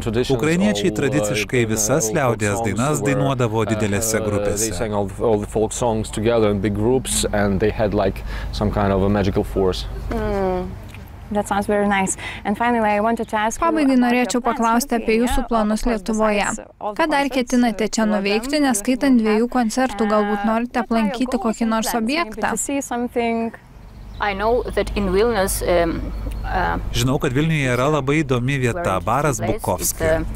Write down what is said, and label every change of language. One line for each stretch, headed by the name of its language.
Ukrainian: Українці традиційно всі
Lithuanian: liaudies dainas dainuodavo didelėse grupėse.
English: They sang all the folk songs together in big groups and they had like some kind of a magical force. That sounds very nice. And finally, I wanted to ask
Lithuanian: pabaigai norėčiau paklausti apie jūsų planus Lietuvoje. Ką dar ketinate čia nuveikti, neskaitant dviejų koncertų, galbūt norite aplankyti kokį nors objektą? Žinau, kad Vilniuje yra labai įdomi vieta, baras Bukovski.